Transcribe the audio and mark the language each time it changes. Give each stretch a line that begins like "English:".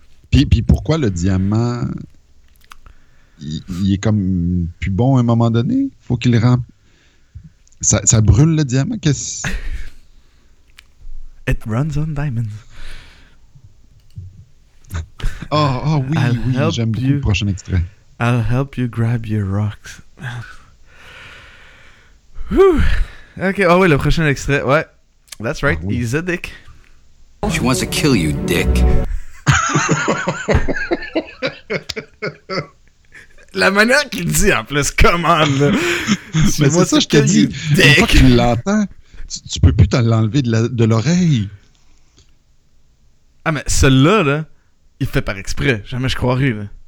French: Puis pourquoi le diamant. Il est comme plus bon à un moment donné? Faut qu'il rampe. Ça brûle le diamant? Qu'est-ce.
English: It runs on diamonds.
French: Oui, j'aime beaucoup le prochain extrait.
English: I'll help you grab your rocks.
French: Ok, ah oh oui, le prochain extrait, ouais.
English: That's right,
French: oh oui.
English: He's a dick. She wants to kill you, dick.
French: La manière qu'il dit, en plus,
English: come on,
French: là. Mais c'est ça, je te dis, une fois que tu l'entends, tu peux plus l'enlever de l'oreille. Ah, mais celui-là, là, il fait par exprès, jamais je croirais, là.